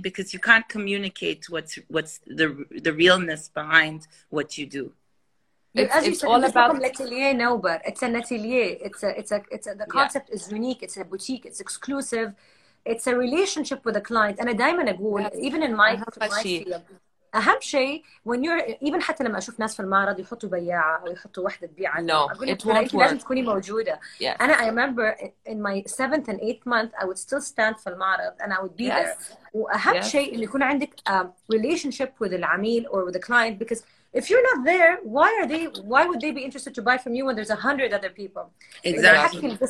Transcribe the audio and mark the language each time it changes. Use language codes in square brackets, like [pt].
[en] Because you can't communicate what's the realness behind what you do. It's an atelier. The concept is unique. It's a boutique. It's exclusive. It's a relationship with a client. And a diamond, a goal, even in my field. [ar] أهم شيء [en] when you're even [ar] حتى لما أشوف ناس في المعرض يحطوا بياعة أو يحطوا وحدة بيع لازم تكوني موجودة. [en] أنا I remember in my 7th and 8th month I would still stand [ar] في المعرض [en] and I would be there. [ar] وأهم شيء إن يكون عندك [en] relationship with [ar] العميل [en] or with the client, because if you're not there, why would they be interested to buy from you when there's 100 other people? Exactly.